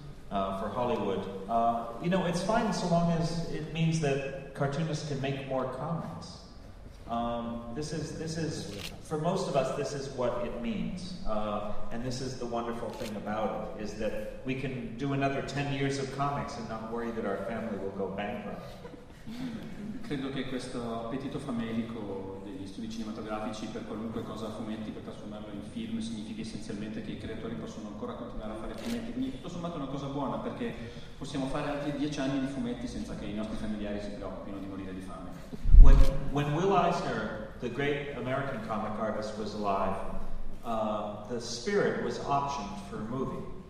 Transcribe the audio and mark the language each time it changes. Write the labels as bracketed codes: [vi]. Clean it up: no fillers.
[en] For Hollywood, you know, it's fine so long as it means that cartoonists can make more comics. This is for most of us, this is what it means. And this is the wonderful thing about it, is that we can do another 10 years of comics and not worry that our family will go bankrupt. [it] Credo che questo appetito famelico degli studi cinematografici per qualunque cosa a fumetti per trasformarlo in film significa essenzialmente che i creatori possono ancora continuare a fare fumetti. Quindi tutto sommato è una cosa buona, perché possiamo fare altri 10 anni di fumetti senza che i nostri familiari si preoccupino di morire di fame. [en] When Will Eisner, the great American comic artist, was alive, the spirit was optioned for a movie.